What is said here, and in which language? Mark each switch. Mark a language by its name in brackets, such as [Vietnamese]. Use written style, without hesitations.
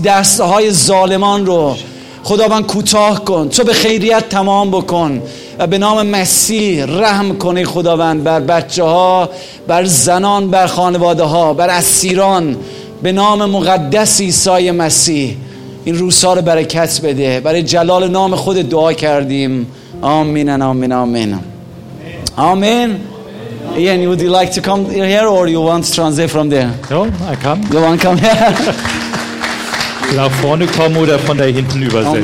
[Persian] دستهای ظالمان رو خداوند کوتاه کن، تو به خیریت تمام بکن و به نام مسیح رحم کنی خداوند بر بچه ها، بر زنان، بر خانواده ها، بر اسیران. به نام مقدس عیسی مسیح این روزها رو برکت بده. برای جلال نام خود دعا کردیم. آمین آمین آمین آمین. [English] Ian, would you like to come here or you want to transfer from there? No, I come. You want to come here? [German] Nach vorne kommen oder von da hinten übersetzen.